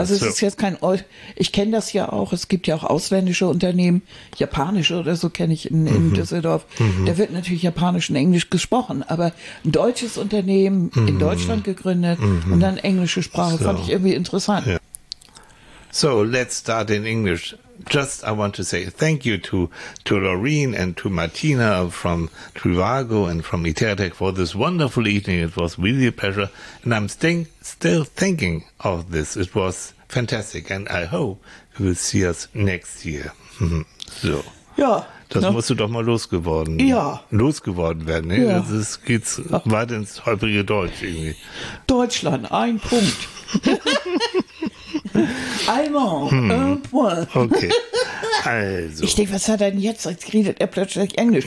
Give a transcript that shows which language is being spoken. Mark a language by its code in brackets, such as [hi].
[de] Also es ist jetzt kein, ich kenne das ja auch, es gibt ja auch ausländische Unternehmen, japanische oder so kenne ich in Düsseldorf, da wird natürlich japanisch und englisch gesprochen, aber ein deutsches Unternehmen in Deutschland gegründet und dann englische Sprache, fand ich irgendwie interessant. [en] Yeah. So, let's start in English. Just, I want to say thank you to Laureen and to Martina from Trivago and from Iteratec for this wonderful evening. It was really a pleasure. And I'm still thinking of this. It was fantastic. And I hope you will see us next year. So. [de] Ja. Das musst du doch mal losgeworden. Ja. Losgeworden werden. Ne? Ja. Das geht weit ins holprige Deutsch irgendwie. Deutschland, ein Punkt. [fr] Allemand, un point. [de] Okay, also. Ich denke, was hat er denn jetzt? Jetzt redet er plötzlich Englisch.